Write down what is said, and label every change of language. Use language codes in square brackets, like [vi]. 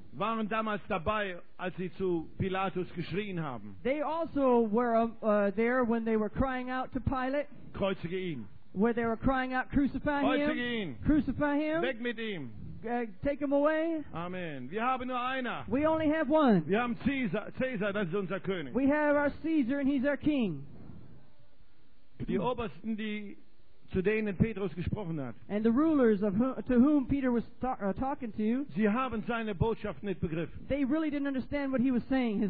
[de] waren damals dabei, als sie zu Pilatus geschrien haben. [en] They also were there when they were crying out to Pilate. [de] Kreuzige ihn. [en] Where they were crying out, crucify [de] Kreuzige [en] him. [de] Kreuzige ihn. [en] Crucify him. [de] Weg mit ihm. [en] Take him away. [de] Amen. Wir haben nur einer. [en] We only have one. [de] Wir haben Caesar, das ist unser König. [en] We have our Caesar and he's our king. [de] Die Obersten, die zu denen Petrus gesprochen hat. [en] And the rulers to whom Peter was talking to, [de] sie haben seine Botschaft nicht begriffen. [en] They really didn't understand what he was saying, his